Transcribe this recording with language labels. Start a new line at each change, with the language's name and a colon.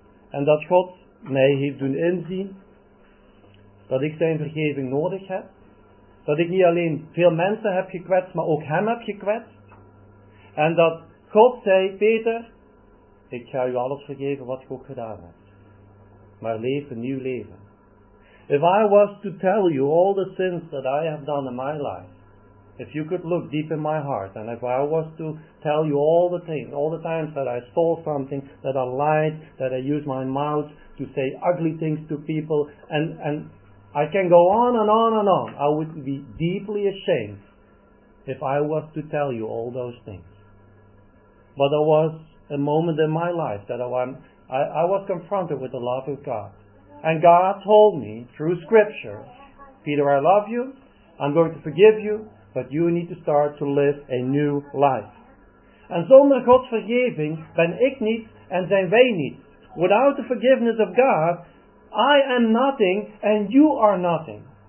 Dutch: En dat God mij heeft doen inzien dat ik zijn vergeving nodig heb. Dat ik niet alleen veel mensen heb gekwetst, maar ook hem heb gekwetst. En dat God zei, Peter, ik ga u alles vergeven wat je ook gedaan hebt. Maar leef een nieuw leven.
English: If I was to tell you all the sins that I have done in my life, if you could look deep in my heart, and if I was to tell you all the things, all the times that I stole something, that I lied, that I used my mouth to say ugly things to people, and I can go on and on and on, I would be deeply ashamed if I was to tell you all those things. But there was a moment in my life that I was confronted with the love of God. And God told me through scripture, Peter, I love you, I'm going to forgive you, but you need to start to live a new life.
Dutch: And zonder God's vergeving ben ik niet en zijn wij niet.
English: Without the forgiveness of God, I am nothing and you are nothing.